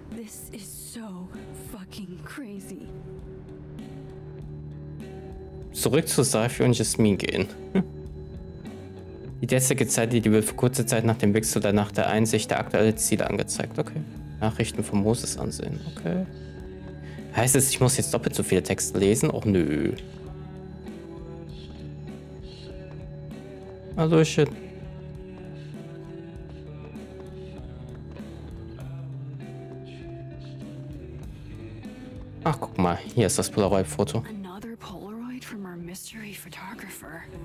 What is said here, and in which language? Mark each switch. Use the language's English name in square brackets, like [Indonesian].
[English] This is so fucking crazy. [German] Zurück zu Safi und Jasmin gehen. Die derzeitige Zeitlinie wird für kurze Zeit nach dem Wechsel oder nach der Einsicht der aktuelle Ziele angezeigt. Okay. Nachrichten von Moses ansehen. Okay. Heißt es, ich muss jetzt doppelt so viele Texte lesen? Och nö. Also ich. Ach, guck mal, hier ist das Polaroid-Foto. [English] Another Polaroid from our mystery photographer.